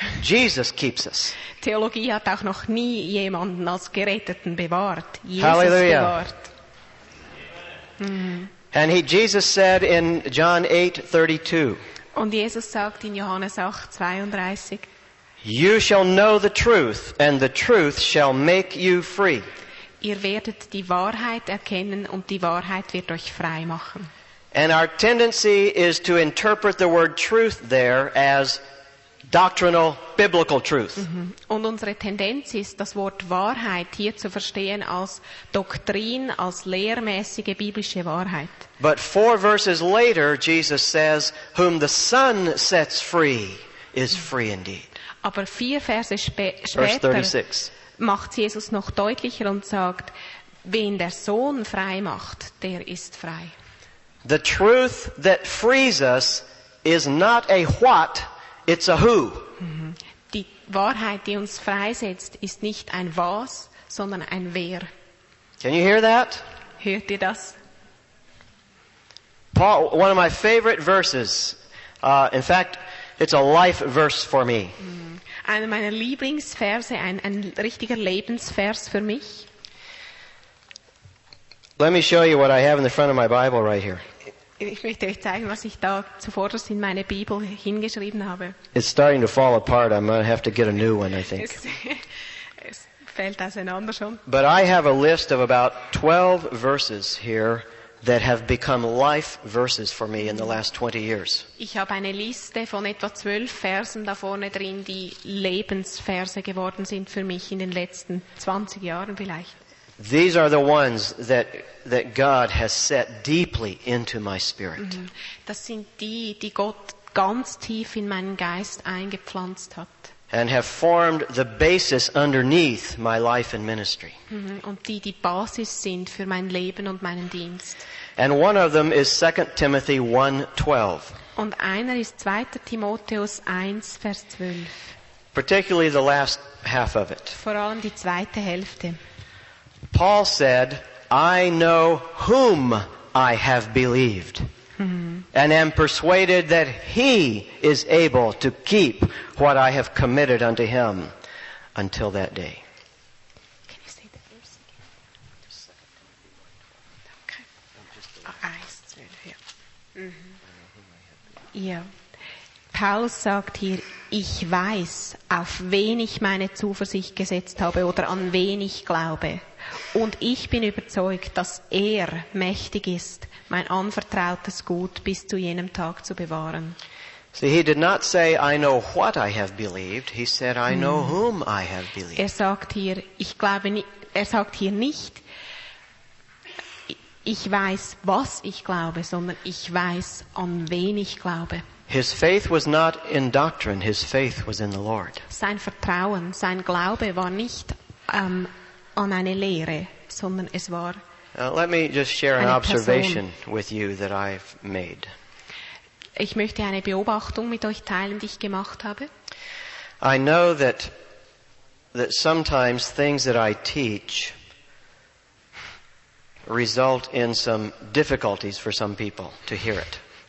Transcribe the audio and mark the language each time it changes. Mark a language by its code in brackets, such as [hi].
[en] Jesus keeps us. [de] Theologie hat auch noch nie jemanden als Geretteten bewahrt. Jesus Hallelujah. Bewahrt. [en] And Jesus said in John 8:32. [de] Und Jesus sagt in Johannes 8:32. [en] You shall know the truth, and the truth shall make you free. [de] Ihr werdet die Wahrheit erkennen, und die Wahrheit wird euch frei machen. [en] And our tendency is to interpret the word truth there as doctrinal, biblical truth. [de] Und unsere Tendenz ist, das Wort Wahrheit hier zu verstehen als Doktrin, als lehrmäßige biblische Wahrheit. [en] But four verses later, Jesus says, whom the Son sets free is free indeed. [de] Aber vier Verse später macht Jesus noch deutlicher und sagt, wen der Sohn frei macht, der ist frei. [en] The truth that frees us is not a what, it's a who. [de] Die Wahrheit, die uns freisetzt, ist nicht ein was, sondern ein wer. [en] Can you hear that? [de] Hört ihr das? [en] Paul, one of my favorite verses, in fact, it's a life verse for me. [de] Einer meiner Lieblingsverse, ein richtiger Lebensvers für mich. [en] Let me show you what I have in the front of my Bible right here. [de] Ich möchte euch zeigen, was ich da zuvorderst in meine Bibel hingeschrieben habe. [en] It's starting to fall apart. I'm going to have to get a new one, I think. [de] Es fällt auseinander schon. [en] But I have a list of about 12 verses here that have become life verses for me in the last 20 years. [de] Ich habe eine Liste von etwa 12 Versen da vorne drin, die Lebensverse geworden sind für mich in den letzten 20 Jahren vielleicht. [en] These are the ones that God has set deeply into my spirit. [de] Das sind die Gott ganz tief in meinen Geist eingepflanzt hat. [en] And have formed the basis underneath my life and ministry. [de] Und die Basis sind für mein Leben und meinen Dienst. [en] And one of them is 2 Timothy 1:12. [de] Und einer ist 2. Timotheus 1, Vers 12. [en] Particularly the last half of it. [de] Vor allem die zweite Hälfte. [en] Paul said, I know whom I have believed. And am persuaded that he is able to keep what I have committed unto him until that day. Can you say the verse again? Just okay. Ja. [de] Paul sagt hier, ich weiß, auf wen ich meine Zuversicht gesetzt habe oder an wen ich glaube. Und ich bin überzeugt, dass er mächtig ist, mein anvertrautes Gut bis zu jenem Tag zu bewahren. [en] See, he did not say, I know what I have believed. He said, I know whom I have believed. [de] Er sagt hier nicht, ich weiß, was ich glaube, sondern ich weiß, an wen ich glaube. [en] His faith was not in doctrine. His faith was in the Lord. [de] Sein Vertrauen, sein Glaube war nicht an eine Lehre, sondern es war. [en] Let me just share an observation with you that I've made. [de] Ich möchte eine Beobachtung mit euch teilen, die ich gemacht habe. [en] I know that sometimes things that I teach result in some difficulties for some people to hear it.